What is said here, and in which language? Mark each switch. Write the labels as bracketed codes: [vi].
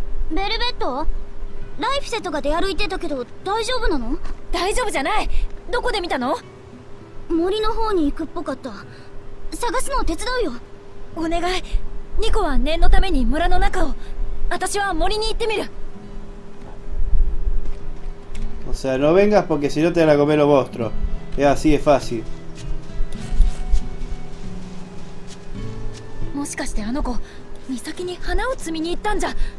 [ja] ベルベット？ライフセットが出歩いてたけど大丈夫なの？大丈夫じゃない。どこで見たの？森の方に行くっぽかった。探すのを手伝うよ。お願い、ニコは念のために村の中を。私は森に行ってみる。 [es] O sea, no vengas porque si no te van a comer los monstruos. Es así de fácil. [ja] もしかしてあの子、岬に花を摘みに行ったんじゃ。